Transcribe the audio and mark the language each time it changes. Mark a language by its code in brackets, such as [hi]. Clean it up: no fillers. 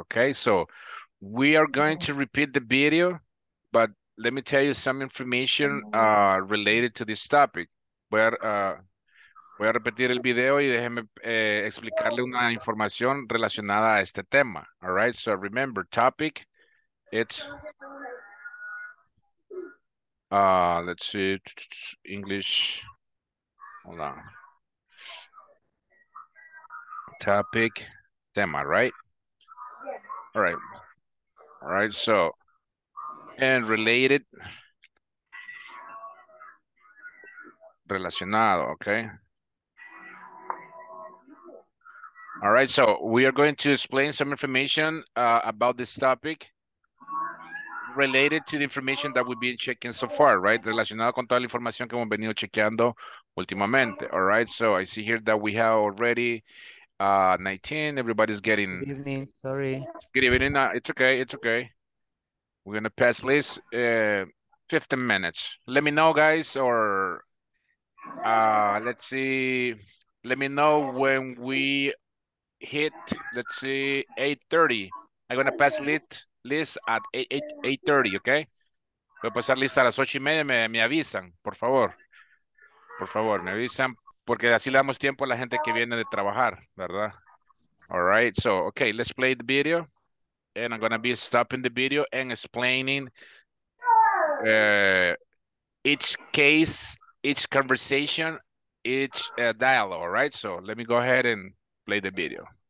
[en] Okay, so we are going to repeat the video, but let me tell you some information related to this topic. [es] Voy a repetir el video y déjeme explicarle una información relacionada a este tema. [en] All right, so remember, topic, let's see, English. Hold on. Topic, tema, right? All right, so, and related, relacionado, okay? All right, so we are going to explain some information about this topic related to the information that we've been checking so far, right? [es] Relacionado con toda la información que hemos venido chequeando últimamente. [en] All right, so I see here that we have already 19. Everybody's getting... Good evening, sorry. Good evening. It's okay. We're going to pass this 15 minutes. Let me know, guys, or let's see. Let me know when we... hit, let's see, 8:30. I'm gonna pass list at 8:30, okay? [es] Voy a pasar lista a las 8:30, me avisan, por favor, me avisan, porque así le damos tiempo a la gente que viene de trabajar, ¿verdad? [en] All right, so, okay, let's play the video, and I'm gonna be stopping the video and explaining each case, each conversation, each dialogue, all right? So, let me go ahead and play the video.